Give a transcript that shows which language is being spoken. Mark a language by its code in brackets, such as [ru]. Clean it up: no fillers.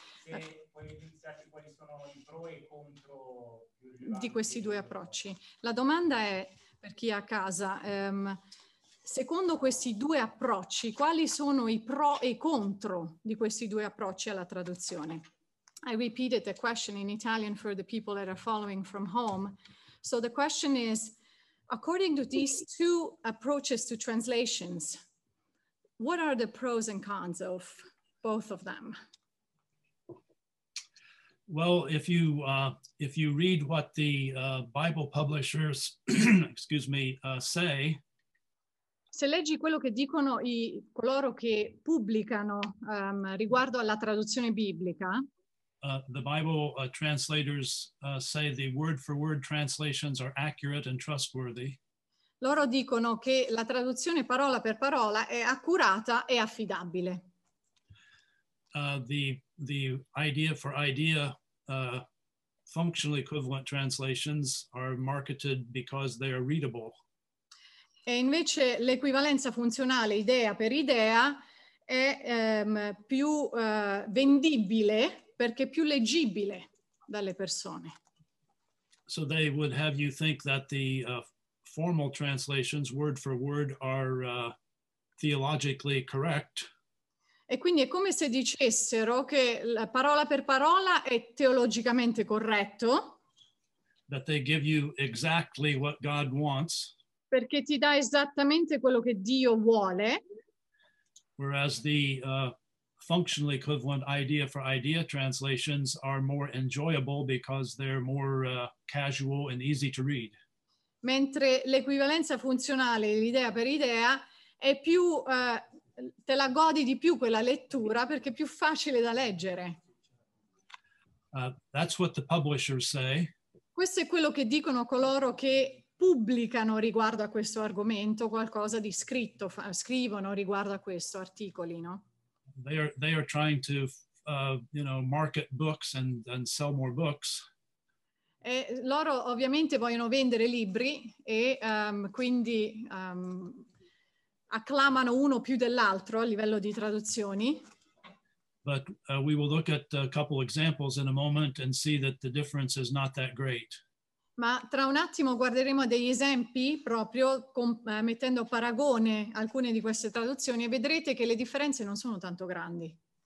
[it] Se puoi iniziare quali sono i pro e i contro di questi due approcci. La domanda è, per chi è a casa, secondo questi due approcci, quali sono i pro e i contro di questi due approcci alla traduzione? [en] I repeated the question in Italian for the people that are following from home. So the question is, according to these two approaches to translations, what are the pros and cons of both of them? Well, if you read what the Bible publishers, say. [it] Se leggi quello che dicono coloro che pubblicano riguardo alla traduzione biblica. [en] The Bible translators say the word-for-word translations are accurate and trustworthy. [it] Loro dicono che la traduzione parola per parola è accurata e affidabile. [en] The idea-for-idea functional equivalent translations are marketed because they are readable. [it] E invece l'equivalenza funzionale idea per idea è più vendibile perché più leggibile dalle persone. [en] So they would have you think that the formal translations, word for word, are theologically correct. [it] E quindi è come se dicessero che la parola per parola è teologicamente corretto. [en] That they give you exactly what God wants. [it] Perché ti dà esattamente quello che Dio vuole. [en] Whereas the functionally equivalent idea for idea translations are more enjoyable because they're more casual and easy to read. [it] Mentre l'equivalenza funzionale, l'idea per idea, è più, te la godi di più quella lettura perché è più facile da leggere. [en] That's what the publishers say. [it] Questo è quello che dicono coloro che pubblicano riguardo a questo argomento qualcosa di scritto, scrivono riguardo a questo, articoli, no? [en] They are trying to market books and sell more books. [it] E loro ovviamente vogliono vendere libri e quindi acclamano uno più dell'altro a livello di traduzioni. [en] But we will look at a couple examples in a moment and see that the difference is not that great. [it] Ma tra un attimo guarderemo degli esempi proprio mettendo a paragone alcune di queste traduzioni e vedrete che le differenze non sono tanto grandi.